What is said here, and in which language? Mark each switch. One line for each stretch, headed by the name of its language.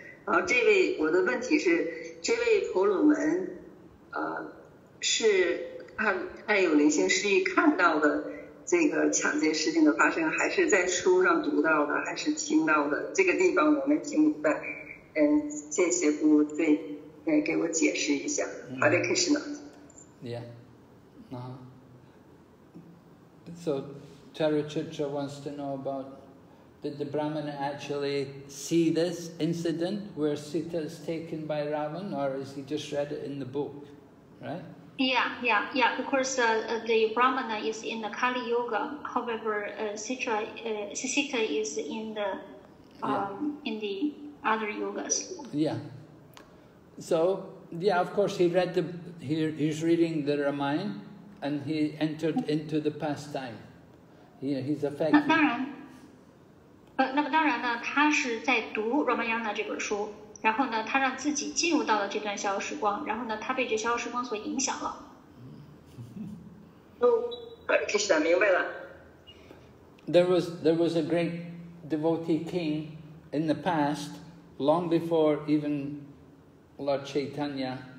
Chinese: 然后这位我的问题是，这位婆罗门，是他有灵性失忆看到的这个抢劫事情的发生，还是在书上读到的，还是听到的？这个地方我没听明白。谢谢姑对，给我解释一下。
English: Hare Krishna。 Yeah。 So, Charu Chitra wants to know about, did the Brahmin actually see this incident where Sita is taken by Ravan, or is he just read it in the book, right? Yeah. Of course, the Brahmana is in the Kali Yuga. However, Sita is in the, in the other yogas. Yeah. So, yeah, of course, he's reading the Ramayana. And he entered into the pastime. He's affected.
Chinese: 那么当然呢，他是在读《Ramayana》这本书，然后呢，他让自己进入到了这段逍遥时光，然后呢，他被这逍遥时光所影响了。 Krishna 明白了。
English: There was a great devotee king in the past, long before even Lord Chaitanya.